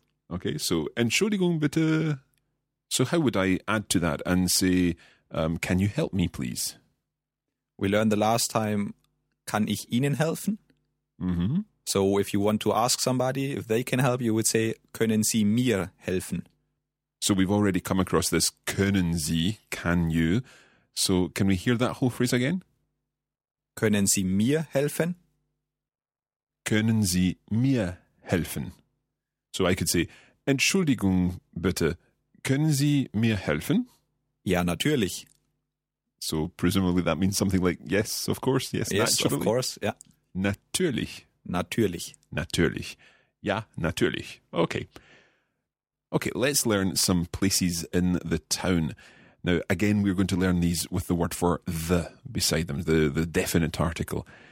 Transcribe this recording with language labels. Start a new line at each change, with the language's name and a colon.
English: Okay, so
German: Entschuldigung bitte.
English: So how would I add to that and say, can you help me please? We learned the last time,
German: kann ich Ihnen helfen? Mm-hmm.
English: So if you want to ask somebody if they can help, you would say,
German: können Sie mir helfen?
English: So we've already come across this,
German: können Sie,
English: can you? So can we hear that whole phrase again?
German: Können Sie mir helfen? Können Sie mir helfen?
English: So I could say,
German: Entschuldigung, bitte, können Sie mir helfen? Ja, natürlich.
English: So presumably that means something like, yes, of course, yes, naturally. Yes, of course, yeah.
German: Natürlich. Natürlich. Natürlich. Ja, natürlich.
English: Okay. Okay, let's learn some places in the town. Now, again, we're going to learn these with the word for the beside them, the definite article.